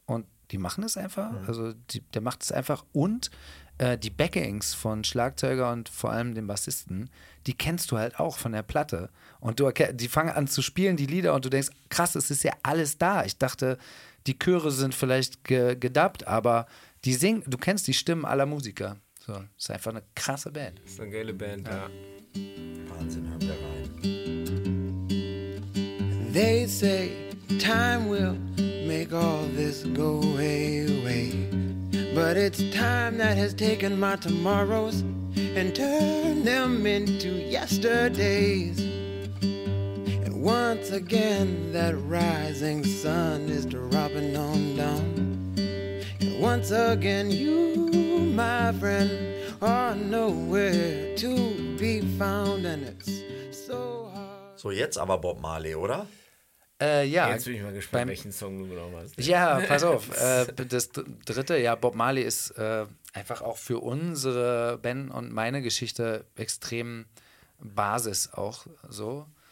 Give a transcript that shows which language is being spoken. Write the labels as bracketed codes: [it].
[de] Und die machen es einfach, der macht es einfach und die Backings von Schlagzeuger und vor allem dem Bassisten, die kennst du halt auch von der Platte und die fangen an zu spielen, die Lieder und du denkst, krass, es ist ja alles da. Ich dachte, die Chöre sind vielleicht gedubbt, aber die singen, du kennst die Stimmen aller Musiker. So, ist einfach eine krasse Band. Ist eine geile Band, ja. Wahnsinn, hören wir rein. [en] They say time will make all this go away. But it's time that has taken my tomorrows and turned them into yesterdays. And once again that rising sun is dropping on down. And once again you, my friend, are nowhere to be found. And it's so hard. [de] So, jetzt aber Bob Marley, oder? Ja, jetzt bin ich mal gespannt, welchen Song du genommen hast. Ja, pass auf. Das dritte, ja, Bob Marley ist einfach auch für unsere Ben und meine Geschichte extrem Basis auch so.